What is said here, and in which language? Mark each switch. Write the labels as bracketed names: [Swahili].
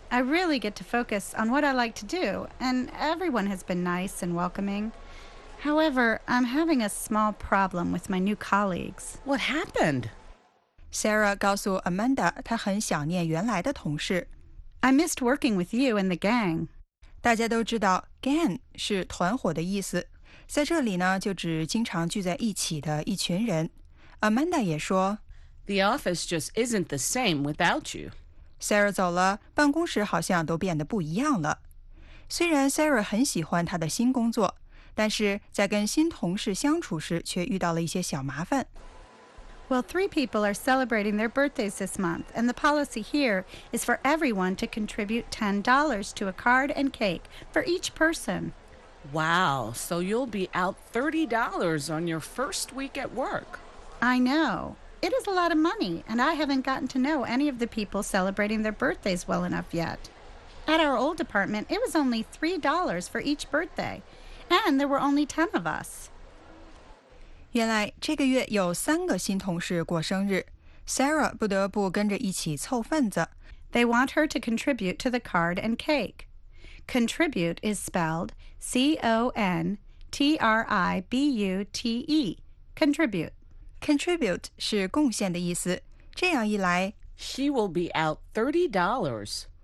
[English] I really get to focus on what I like to do, and everyone has been nice and welcoming. However, I'm having a small problem with my new colleagues. What happened? [Chinese] Sarah 告诉 Amanda 她很想念原来的同事。 [English] I missed working with you and the gang. [Chinese] 大家都知道 gang 是团伙的意思。在这里呢就指经常聚在一起的一群人。 Amanda 也说 [English] The office just isn't the same without you. [Chinese] Sarah 走了，办公室好像都变得不一样了。虽然 Sarah 很喜欢她的新工作，但是在跟新同事相处时却遇到了一些小麻烦。 [English] Well, three people are celebrating their birthdays this month, and the policy here is for everyone to contribute $10 to a card and cake for each person. Wow, so you'll be out $30 on your first week at work. I know. It is a lot of money, and I haven't gotten to know any of the people celebrating their birthdays well enough yet. At our old department, it was only $3 for each birthday, and there were only 10 of us. [Chinese] 原来这个月有三个新同事过生日 ，Sarah 不得不跟着一起凑份子。 [English] They want her to contribute to the card and cake. Contribute is spelled C-O-N contribute, contribute. Contribute [Chinese] 是贡献的意思。这样一来 [English] ，She will be out $30.